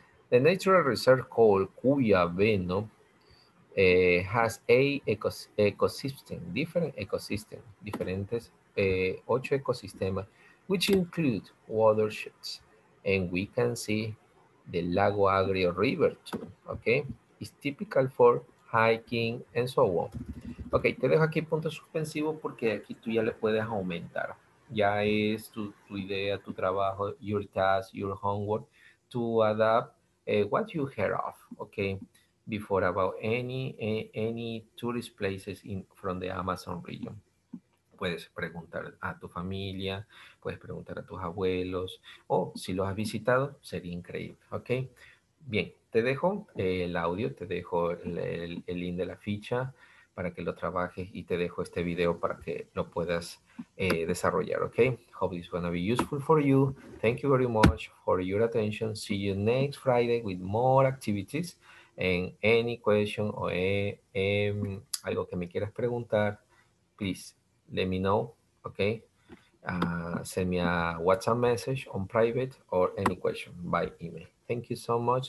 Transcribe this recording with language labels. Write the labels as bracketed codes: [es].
[en] The natural reserve called Cuyabeno has [es] ocho ecosistemas, [en] which include watersheds, and we can see the Lago Agrio River too. Okay, it's typical for hiking and so on. [es] Okay, te dejo aquí punto suspensivo porque aquí tú ya le puedes aumentar. Ya es tu idea, tu trabajo, [en] your task, your homework, to adapt what you heard of. Okay. Before about any tourist places from the Amazon region. [es] Puedes preguntar a tu familia, puedes preguntar a tus abuelos, o si los has visitado, sería increíble, ¿ok? Bien, te dejo el audio, te dejo el link de la ficha para que lo trabajes y te dejo este video para que lo puedas desarrollar, ¿ok? [en] Hope this is going to be useful for you. Thank you very much for your attention. See you next Friday with more activities. [es] En any question o algo que me quieras preguntar, [en] please let me know, okay? Send me a WhatsApp message on private or any question by email. Thank you so much.